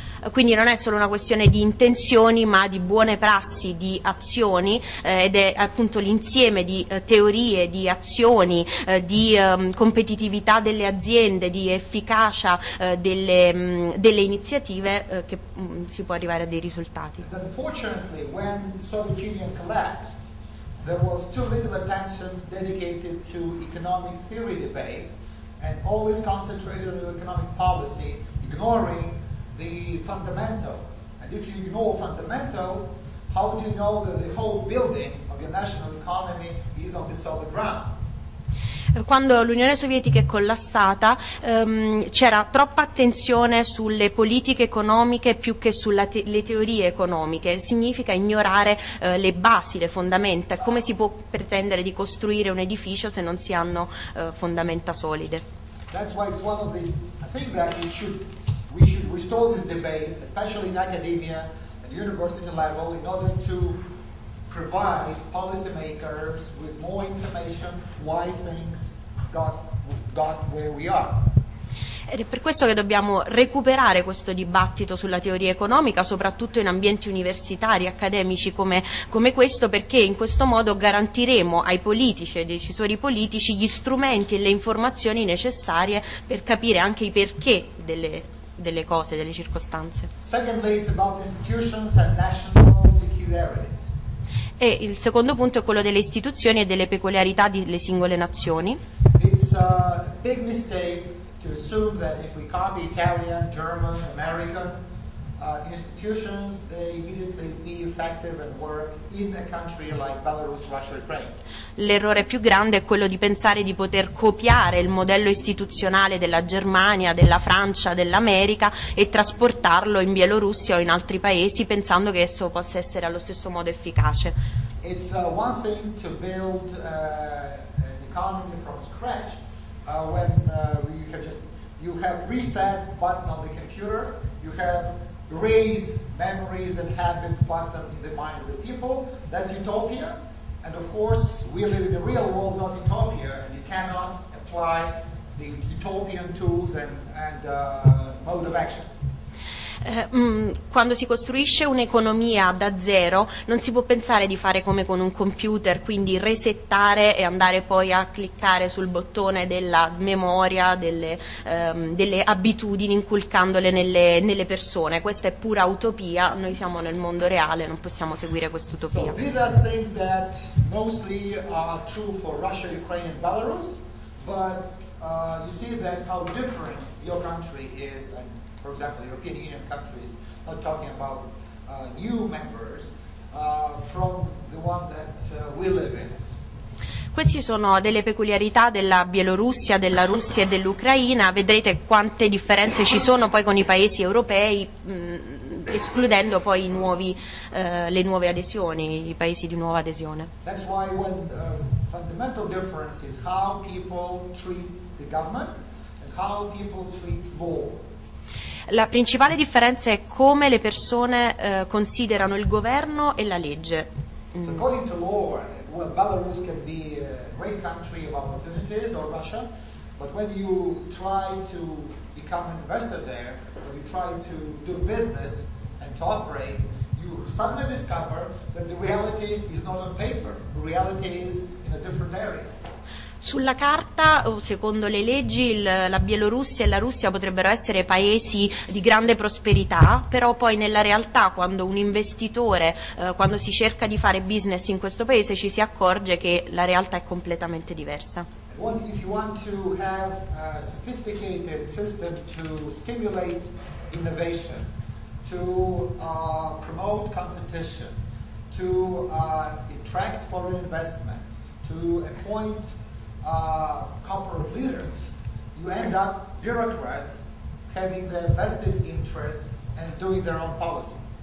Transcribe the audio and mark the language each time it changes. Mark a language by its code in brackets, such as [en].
[it] Quindi non è solo una questione di intenzioni, ma di buone prassi, di azioni, ed è appunto l'insieme di teorie, di azioni, di competitività delle aziende, di efficacia delle iniziative che si può arrivare a dei risultati. [en] Unfortunately, when the Soviet Union collapsed, there was too little attention dedicated to economic theory debate and always concentrated on economic policy, ignoring the fundamentals. And if you ignore fundamentals, how do you know that the whole building of your national economy is on the solid ground? [it] Quando l'Unione Sovietica è collassata, c'era troppa attenzione sulle politiche economiche più che sulle teorie economiche. Significa ignorare le basi, le fondamenta. Come si può pretendere di costruire un edificio se non si hanno fondamenta solide? [en] That's why it's one of the I think that we should restore this debate, especially in academia and university level, in order to provide policymakers with more information why things got where we are. [it] Ed è per questo che dobbiamo recuperare questo dibattito sulla teoria economica, soprattutto in ambienti universitari, accademici come questo, perché in questo modo garantiremo ai politici e ai decisori politici gli strumenti e le informazioni necessarie per capire anche i perché delle cose, delle circostanze. [en] Secondly, it's about institutions and national peculiarities. [it] E il secondo punto è quello delle istituzioni e delle peculiarità delle singole nazioni. [en] It's a big mistake to assume that if we copy Italian, German, American institutions, they immediately be effective and work in a country like Belarus, Russia, Ukraine. [it] L'errore più grande è quello di pensare di poter copiare il modello istituzionale della Germania, della Francia, dell'America e trasportarlo in Bielorussia o in altri paesi pensando che esso possa essere allo stesso modo efficace. [en] It's one thing to build an economy from scratch when you have reset button on the computer, you have raise memories and habits button in the mind of the people, that's utopia. And of course, we live in a real world, not utopia, and you cannot apply the utopian tools and mode of action. [it] Quando si costruisce un'economia da zero non si può pensare di fare come con un computer, quindi resettare e andare poi a cliccare sul bottone della memoria, delle abitudini, inculcandole nelle persone. Questa è pura utopia, noi siamo nel mondo reale, non possiamo seguire quest'utopia. [en] So these are things that mostly are true for Russia, Ukraine and Belarus, but you see that how different your country is. For example, the European Union countries, not talking about new members, from the one that we live in. [it] Questi sono delle peculiarità della Bielorussia, della Russia e dell'Ucraina. Vedrete quante differenze ci sono poi con i paesi europei, escludendo poi le nuove adesioni, i paesi di nuova adesione. [en] That's why when fundamental difference is how people treat the government and how people treat law. [it] La principale differenza è come le persone considerano il governo e la legge. [en] So according to law, well, Belarus can be a great country of opportunities or Russia, but when you try to become an investor there, when you try to do business and to operate, you suddenly discover that the reality is not on paper, the reality is in a different area. [it] Sulla carta, secondo le leggi, la Bielorussia e la Russia potrebbero essere paesi di grande prosperità, però poi nella realtà, quando un investitore, quando si cerca di fare business in questo paese, ci si accorge che la realtà è completamente diversa. [en] If you want to have a sophisticated system to stimulate innovation, to promote competition, to attract foreign investment, to appoint corporate leaders, you end up bureaucrats having their vested interests and doing their own policy.